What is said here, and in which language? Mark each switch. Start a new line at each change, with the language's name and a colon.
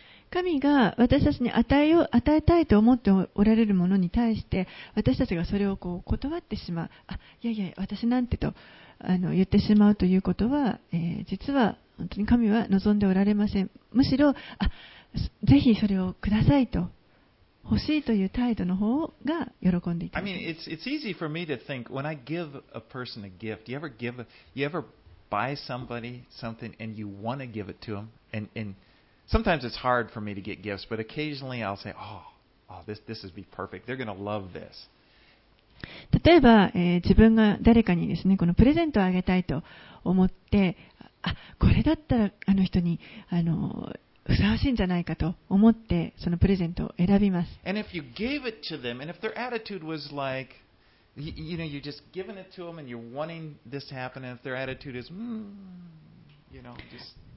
Japanese: 神が私たちに与えたいと思っておられるものに対して、私たちがそれをこう断ってしまう、あ、いやいや私なんてと言ってしまうということは、実は本当に神は望んでおられません。むしろ、あ、ぜひそれをくださいと、欲しいという態度の方が喜んでいます。
English: I mean, it's easy for me to think when I give a person a gift, you ever buy somebody something and you want to give it to them and... Sometimes it's hard for me to get gifts, but occasionally I'll say, this would be perfect. They're going to love this.
Japanese: 例えば、自分が誰かにですね、このプレゼントをあげたいと思って、あ、これだったらあの人にふさわしいんじゃないかと思って、そのプレゼントを選びます。
English: And if you gave it to them, and if their attitude was like, you know, you're just giving it to them and you're wanting this to happen, and if their attitude is, you know, just...